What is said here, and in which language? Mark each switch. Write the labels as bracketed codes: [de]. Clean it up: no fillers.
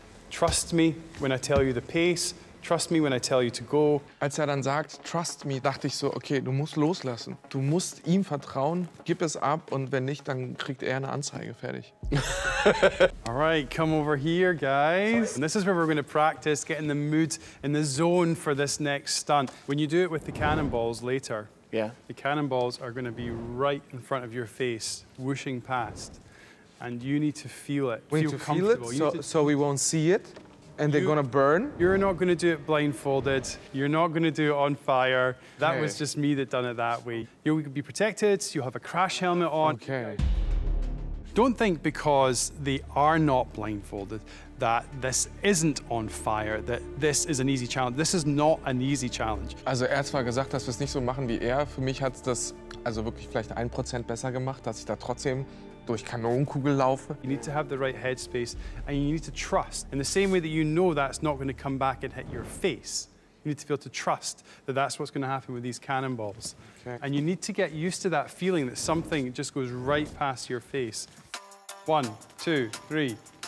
[en] Trust me when I tell you the pace. Trust me when I tell you to go. [de] Als er dann sagt, [en] trust me, [de] dachte ich so, okay, du musst loslassen. Du musst ihm vertrauen, gib es ab und wenn nicht, dann kriegt er eine Anzeige, fertig. [en] All right, come over here, guys. And this is where we're going to practice getting the mood in the zone for this next stunt. When you do it with the cannonballs later, yeah. The cannonballs are going to be right in front of your face, whooshing past. And you need to feel it. We need to feel it so we won't see it. And they're gonna burn? You're not gonna do it blindfolded. You're not gonna do it on fire. That was just me that done it that way. You'll be protected, you'll have a crash helmet on. Okay. Don't think because they are not blindfolded that this isn't on fire, that this is an easy challenge. This is not an easy challenge. [de] Also er hat zwar gesagt, dass wir es nicht so machen wie er. Für mich hat es das also wirklich vielleicht 1% besser gemacht, dass ich da trotzdem durch Kanonenkugel laufe. [en] You need to have the right headspace and you need to trust. In the same way that you know that's not going to come back and hit your face, you need to be able to trust that that's what's going to happen with these cannonballs. Okay. And you need to get used to that feeling that something just goes right past your face. One, two, three.